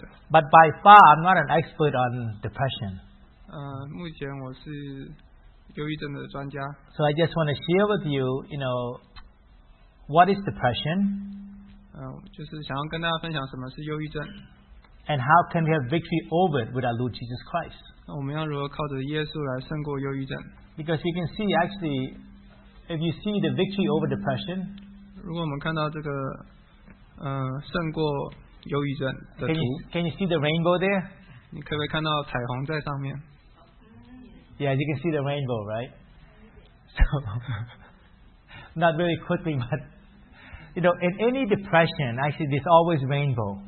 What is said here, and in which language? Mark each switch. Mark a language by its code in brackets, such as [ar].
[en] But by far, I'm not an expert on depression. [zh] 目前我是憂鬱症的專家. [en] So I just want to share with you, you know, what is depression? [zh] 就是想要跟大家分享什么是憂鬱症. [en] And how can we have victory over it with our Lord Jesus Christ? [zh] 我们要如何靠着耶稣来胜过忧郁症? [en] Because you can see, actually, if you see the victory over depression, [zh] 如果我们看到这个, 胜过忧郁症的图, [en] can you see the rainbow there? [zh] 你可不可以看到彩虹在上面? [en] Yeah, you can see the rainbow, right? So, not very quickly, but you know, in any depression, actually, there's always rainbow.